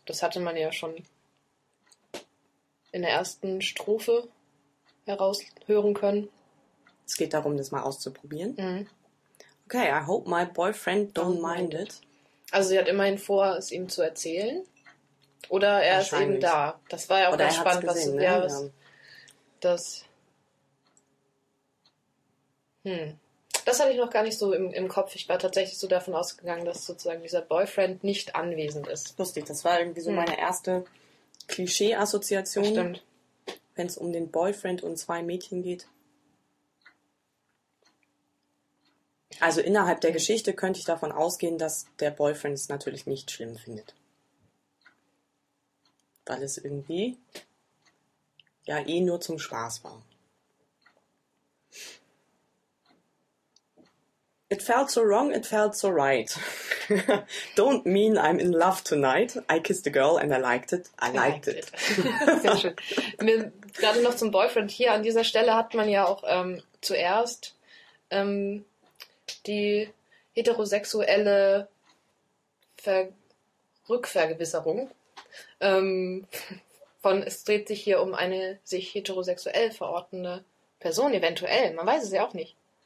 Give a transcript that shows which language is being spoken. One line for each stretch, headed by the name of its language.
German: Das hatte man ja schon in der ersten Strophe heraushören können. Es geht darum, das mal auszuprobieren. Mhm.
English: Okay, I hope my boyfriend don't mind it.
German: Also sie hat immerhin vor, es ihm zu erzählen. Oder er ist eben da. Das war ja auch ganz spannend, gesehen, was, ne? Ja, was das. Das hatte ich noch gar nicht so im Kopf. Ich war tatsächlich so davon ausgegangen, dass sozusagen dieser Boyfriend nicht anwesend ist. Lustig, das war irgendwie so meine erste Klischee-Assoziation. Stimmt. Wenn es um den Boyfriend und zwei Mädchen geht. Also innerhalb der Geschichte könnte ich davon ausgehen, dass der Boyfriend es natürlich nicht schlimm findet. Weil es irgendwie ja eh nur zum Spaß war.
English: It felt so wrong, it felt so right. Don't mean I'm in love tonight. I kissed a girl and I liked it. I liked it.
German: Sehr schön. Mir, gerade noch zum Boyfriend. Hier an dieser Stelle hat man ja auch zuerst die heterosexuelle Rückvergewisserung. Es dreht sich hier um eine sich heterosexuell verortende Person, eventuell. Man weiß es ja auch nicht.